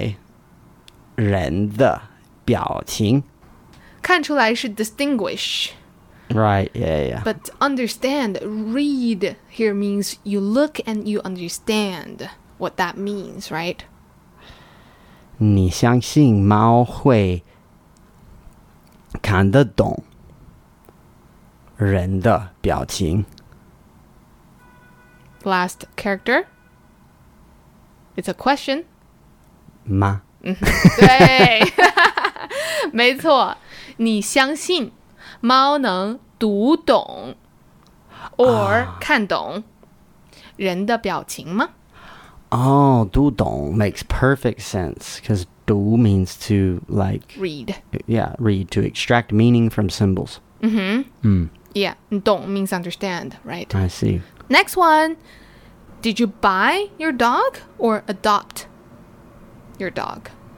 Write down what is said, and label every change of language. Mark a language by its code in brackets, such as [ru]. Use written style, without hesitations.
[zh] 你相信猫会看出来人的表情? 看出来 [en] should distinguish. Right, yeah, yeah. But understand, read here means you look and you understand what that means, right? [zh] 你相信猫会 看得懂人的表情. [en] Last character. It's a question. [zh] 吗? 对, 没错, 你相信猫能读懂 [en] or [zh] 看懂人的表情吗? [en] Oh, [zh] 读懂 [en] makes perfect sense because 读 means to like... Read. Yeah, read, to extract meaning from symbols. Mm-hmm. Yeah, 懂 means understand, right? I see. Next one. Did you buy your dog or adopt your dog?